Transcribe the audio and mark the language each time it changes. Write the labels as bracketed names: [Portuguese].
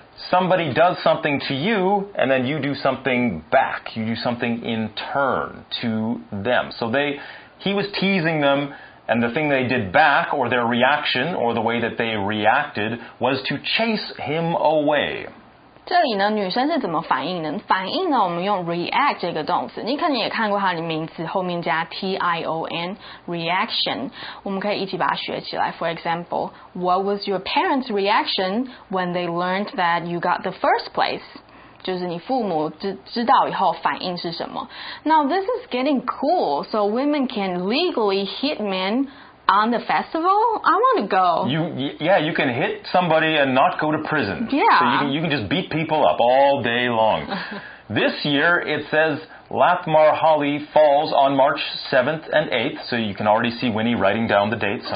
[English] Somebody does something to you, and then you do something back. You do something in turn to them. So he was teasing them, and the thing they did back, or their reaction, or the way that they reacted, was to chase him away. [Chinese] 这里呢，女生是怎么反应呢？反应呢，我们用 react 这个动词，你可能也看过它的名字后面加 T-I-O-N reaction， 我们可以一起把它学起来。 [English] For example, what was your parents' reaction when they learned that you got the first place? [Chinese] 就是你父母知道以后反应是什么。 [English] Now this is getting cool, so women can legally hit men on the festival. I want to go. You can hit somebody and not go to prison. Yeah. So you can just beat people up all day long. This year it says Lathmar Holi falls on March 7th and 8th, so you can already see Winnie writing down the dates.